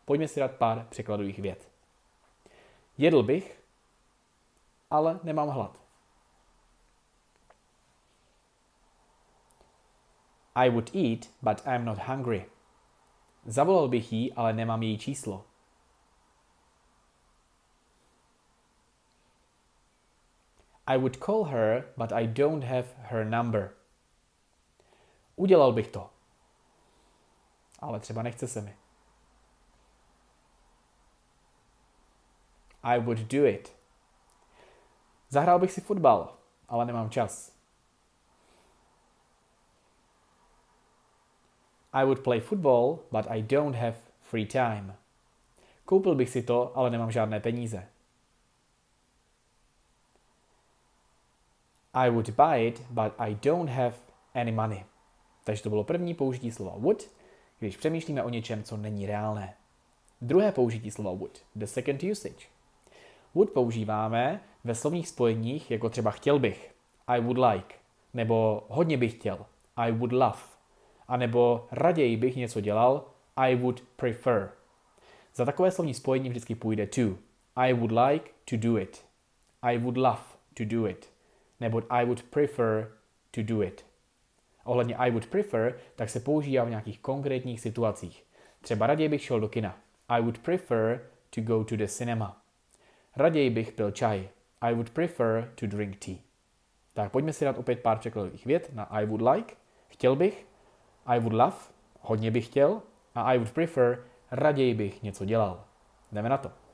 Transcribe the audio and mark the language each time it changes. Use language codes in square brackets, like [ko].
[cs] Pojďme si dát pár překladových vět. Jedl bych, ale nemám hlad. [en] I would eat, but I'm not hungry. [cs] Zavolal bych jí, ale nemám její číslo. [en] I would call her, but I don't have her number. [cs] Udělal bych to. Ale třeba nechce se mi. [en] I would do it. [cs] Zahrál bych si fotbal, ale nemám čas. [en] I would play football, but I don't have free time. [cs] Koupil bych si to, ale nemám žádné peníze. [en] I would buy it, but I don't have any money. [cs] Takže to bylo první použití slova would, když přemýšlíme o něčem, co není reálné. Druhé použití slova would, [en] the second usage. [cs] Would používáme ve slovních spojeních jako třeba chtěl bych, [en] I would like, [cs] nebo hodně bych chtěl, [en] I would love, [cs] anebo raději bych něco dělal, [en] I would prefer. [cs] Za takové slovní spojení vždycky půjde to. [en] I would like to do it, I would love to do it, [cs] nebo [en] I would prefer to do it. [cs] Ohledně I would prefer, tak se používá v nějakých konkrétních situacích. Třeba raději bych šel do kina, [en] I would prefer to go to the cinema. [cs] Raději bych pil čaj. [en] I would prefer to drink tea. [cs] Tak pojďme si dát opět pár překladových vět na [en] I would like, [cs] chtěl bych, [en] I would love, [cs] hodně bych chtěl, a [en] I would prefer, [cs] raději bych něco dělal. Jdeme na to.